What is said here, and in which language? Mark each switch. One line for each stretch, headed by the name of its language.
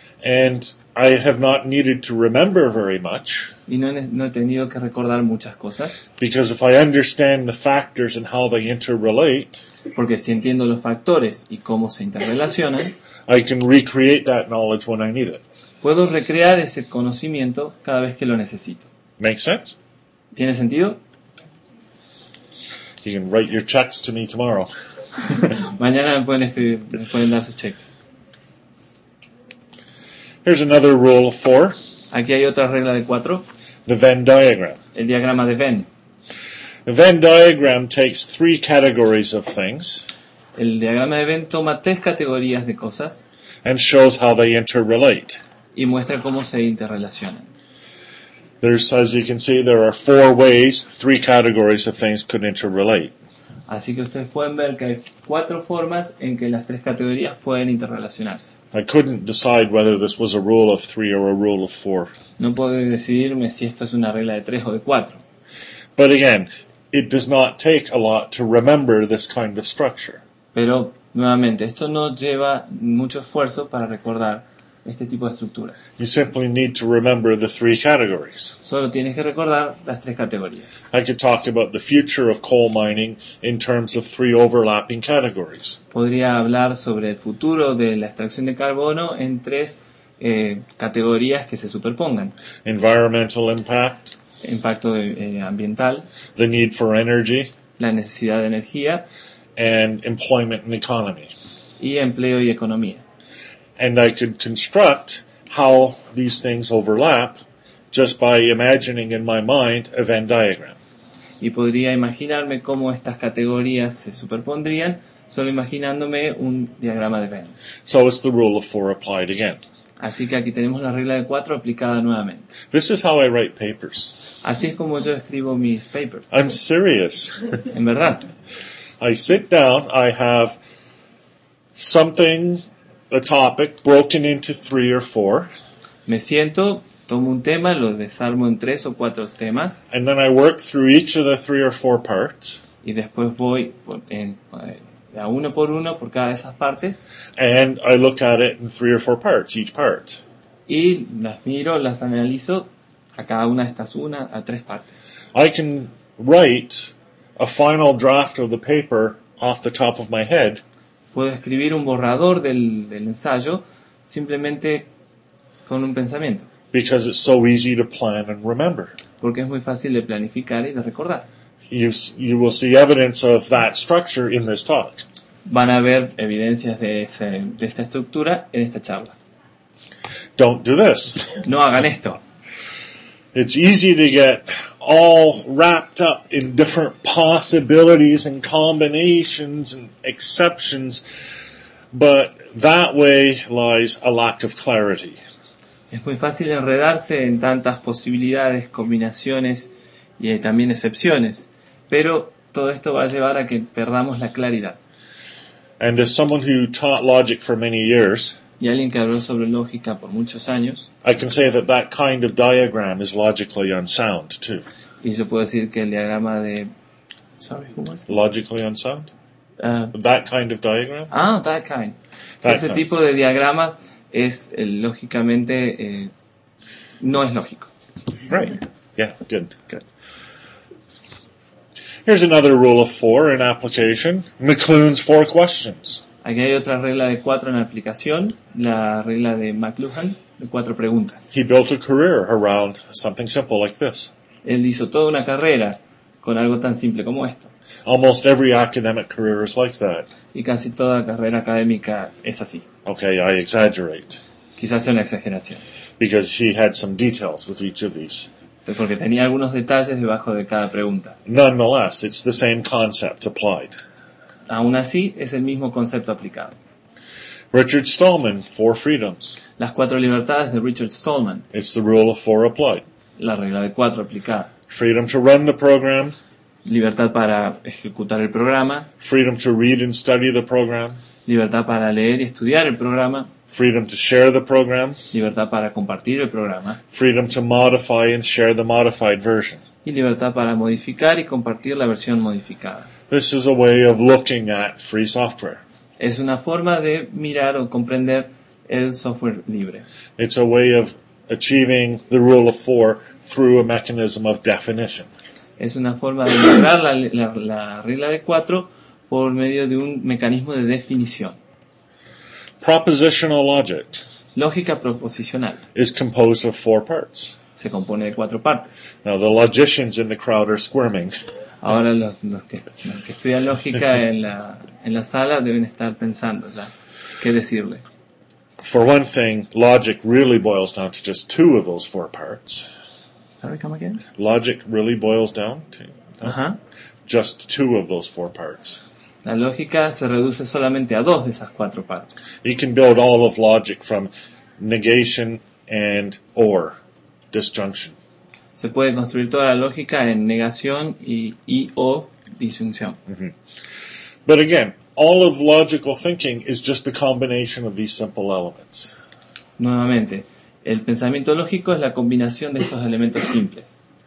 English: And I have not needed to remember very much.
Spanish: Y no he tenido que recordar muchas cosas.
English: Because if I understand the factors and how they interrelate,
Spanish: porque si entiendo los factores y cómo se interrelacionan,
English: I can recreate that knowledge when I need it.
Spanish: Puedo recrear ese conocimiento cada vez que lo necesito.
English: Makes sense?
Spanish: ¿Tiene sentido?
English: You can write your checks to me tomorrow.
Spanish: Mañana me pueden escribir, me pueden dar sus cheques.
English: Here's another rule of four.
Spanish: Aquí hay otra regla de cuatro.
English: The Venn diagram.
Spanish: El diagrama de Venn.
English: The Venn diagram takes three categories of things.
Spanish: El diagrama de Venn toma tres categorías de cosas.
English: And shows how they interrelate.
Spanish: Y muestra cómo se interrelacionan.
English: There's, as you can see, there are four ways, three categories of things could interrelate.
Spanish: Así que ustedes pueden ver que hay cuatro formas en que las tres categorías pueden interrelacionarse.
English: I couldn't decide whether this was a rule of three or a rule of four.
Spanish: No puedo decidirme si esto es una regla de tres o de cuatro.
English: But again, it does not take a lot to remember this kind of structure.
Spanish: Pero, nuevamente, esto no lleva mucho esfuerzo para recordar este tipo de estructura.
English: You simply need to remember the three categories.
Spanish: Solo tienes que recordar las tres categorías.
English: I could talk about the future of coal mining in terms of three overlapping categories.
Spanish: Podría hablar sobre el futuro de la extracción de carbono en tres categorías que se superpongan.
English: Environmental impact.
Spanish: Impacto ambiental.
English: The need for energy.
Spanish: La necesidad de energía.
English: And employment and economy.
Spanish: Y empleo y economía.
English: And I could construct how these things overlap just by imagining in my mind a Venn diagram.
Spanish: Y podría imaginarme cómo estas categorías se superpondrían solo imaginándome un diagrama de Venn.
English: So it's the rule of four applied again.
Spanish: Así que aquí tenemos la regla de cuatro aplicada nuevamente.
English: This is how I write papers.
Spanish: Así es como yo escribo mis papers.
English: I'm serious.
Spanish: En verdad.
English: I sit down, I have something, a topic, broken into three or four.
Spanish: Me siento, tomo un tema, lo desarmo en tres o cuatro temas.
English: And then I work through each of the three or four parts.
Spanish: Y después voy a uno por uno por cada de esas partes.
English: And I look at it in three or four parts, each part.
Spanish: Y las miro, las analizo a cada una de estas una a tres partes.
English: I can write a final draft of the paper off the top of my head.
Spanish: Puedo escribir un borrador del ensayo simplemente con un pensamiento.
English: Because it's so easy to plan and remember.
Spanish: Porque es muy fácil de planificar y de recordar.
English: You will see evidence of that structure in this talk.
Spanish: Van a ver evidencias de esta estructura en esta charla.
English: Don't do this.
Spanish: No hagan esto.
English: It's easy to get all wrapped up in different possibilities and combinations and exceptions, but that way lies a lack of clarity.
Spanish: Es muy fácil enredarse en tantas posibilidades, combinaciones y también excepciones, pero todo esto va a llevar a que perdamos la claridad.
English: And as someone who taught logic for many years,
Spanish: y alguien que habló sobre lógica por muchos años,
English: I can say that that kind of diagram is logically unsound too.
Spanish: Y yo puedo decir que el diagrama de,
English: sorry, who was it? Logically unsound? That kind of diagram? Ah, that kind. That
Spanish: ese
English: kind.
Spanish: Tipo de diagramas es lógicamente no es lógico.
English: Right. Yeah, good. Good. Here's another rule of four in application. McLuhan's four questions.
Spanish: Aquí hay otra regla de cuatro en aplicación, la regla de McLuhan, de cuatro preguntas.
English: He built a career around something simple like this.
Spanish: Él hizo toda una carrera con algo tan simple como esto.
English: Almost every academic career is like that.
Spanish: Y casi toda carrera académica es así.
English: Okay, I exaggerate.
Spanish: Quizás sea una exageración.
English: Because he had some details with each of these.
Spanish: Porque tenía algunos detalles debajo de cada pregunta.
English: Nonetheless, it's the same concept applied.
Spanish: Aún así, es el mismo concepto aplicado.
English: Richard Stallman, Four Freedoms.
Spanish: Las cuatro libertades de Richard Stallman.
English: It's the rule of four applied.
Spanish: La regla de cuatro aplicada.
English: Freedom to run the program.
Spanish: Libertad para ejecutar el programa.
English: Freedom to read and study the program.
Spanish: Libertad para leer y estudiar el programa.
English: Freedom to share the program.
Spanish: Libertad para compartir el programa.
English: Freedom to modify and share the modified version.
Spanish: Y libertad para modificar y compartir la versión modificada.
English: This is a way of looking at free software.
Spanish: Es una forma de mirar o comprender el software libre.
English: It's a way of achieving the rule of four through a mechanism of definition.
Spanish: Es una forma de lograr la regla de cuatro por medio de un mecanismo de definición.
English: Propositional logic.
Spanish: Lógica proposicional.
English: Is composed of four parts.
Spanish: Se compone de cuatro partes.
English: Now the logicians in the crowd are squirming.
Spanish: Ahora los que estudian lógica en la sala deben estar pensando, ¿verdad? ¿Qué decirle?
English: For one thing, logic really boils down to just two of those four parts. Sorry, come again? Logic really boils down to just two of those four parts.
Spanish: La lógica se reduce solamente a dos de esas cuatro partes.
English: You can build all of logic from negation and or disjunction.
Spanish: se puede construir toda la lógica en negación y o disyunción.
English: But again, all of logical thinking is just a combination of these simple elements.
Spanish: Nuevamente, el pensamiento lógico es la combinación de estos elementos simples.